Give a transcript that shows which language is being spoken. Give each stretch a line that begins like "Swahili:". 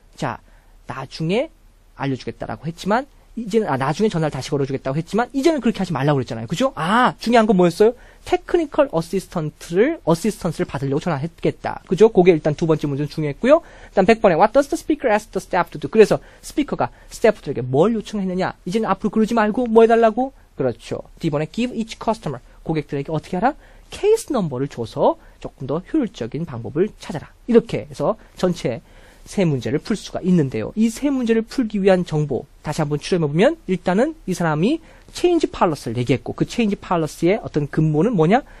Korean: 자, 나중에 알려주겠다라고 했지만 이제는 아 나중에 전화를 다시 걸어주겠다고 했지만 이제는 그렇게 하지 말라고 그랬잖아요. 그죠? 아, 중요한 건 뭐였어요? technical assistance를 받으려고 전화했겠다. 그죠? 그게 일단 두 번째 문제는 중요했고요. 일단 100번에
English: What does the speaker ask the staff to do?
Korean: 그래서 스피커가 스태프들에게 뭘 요청했느냐? 이제는 앞으로 그러지 말고 뭐 해달라고? 그렇죠. D번에
English: Give each customer
Korean: 고객들에게 어떻게 하라? 케이스 넘버를 줘서 조금 더 효율적인 방법을 찾아라. 이렇게 해서 전체 세 문제를 풀 수가 있는데요. 이 세 문제를 풀기 위한 정보 다시 한번 추려해보면 일단은 이 사람이 체인지 팔러스를 얘기했고 그 체인지 팔러스의 어떤 근본은 뭐냐?